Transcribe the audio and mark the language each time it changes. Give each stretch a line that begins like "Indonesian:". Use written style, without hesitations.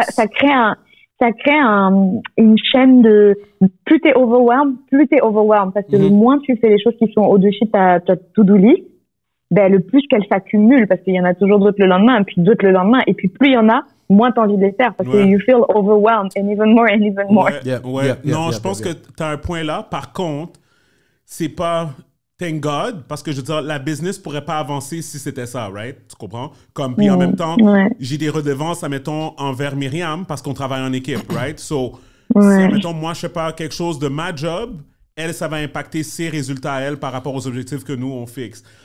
French: pense. crée une chaîne de... Plus tu es overwhelmed, plus tu es overwhelmed. Parce que le moins tu fais les choses qui sont au-dessus de ta to-do list, ben, le plus qu'elles s'accumulent, parce qu'il y en a toujours d'autres le lendemain, puis d'autres le lendemain. Et puis plus il y en a, moins tu as envie de les faire, parce que Ouais.
English: you feel overwhelmed, and even more, and even more.
French: Ouais, ouais. Non, je pense que tu as un point là. Par contre, c'est pas thank God, parce que je veux dire, la business pourrait pas avancer si c'était ça, right? Tu comprends? Comme, puis en même temps, j'ai des redevances, admettons, envers Myriam, parce qu'on travaille en équipe, right? So, si, admettons, moi, je fais pas quelque chose de ma job, elle, ça va impacter ses résultats à elle par rapport aux objectifs que nous, on fixe.